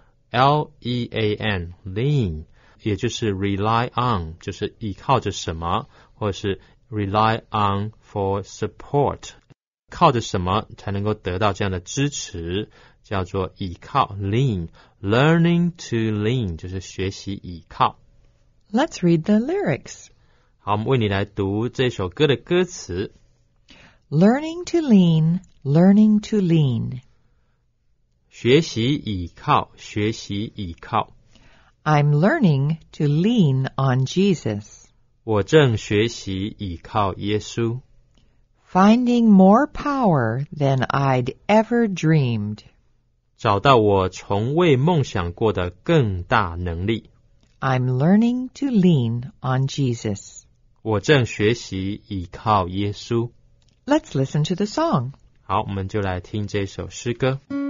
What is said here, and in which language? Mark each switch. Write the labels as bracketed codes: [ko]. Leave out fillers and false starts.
[zh] L-E-A-N, lean, 也就是 [en] rely on, [zh] 就是依靠着什么或者是 [en] rely on for support, [zh] 靠着什么才能够得到这样的支持叫做依靠 lean, [en] learning to lean, [zh] 就是学习依靠。 [en] Let's read the lyrics. [zh] 好,我们为你来读这首歌的歌词。 [en] Learning to lean, learning to lean. [zh] 学习倚靠，学习倚靠。 [en] I'm learning to lean on Jesus. [zh] 我正学习倚靠耶稣。 [en] Finding more power than I'd ever dreamed. [zh] 找到我从未梦想过的更大能力。 [en] I'm learning to lean on Jesus. [zh] 我正学习倚靠耶稣。 [en] Let's listen to the song. [zh] 好，我们就来听这首诗歌。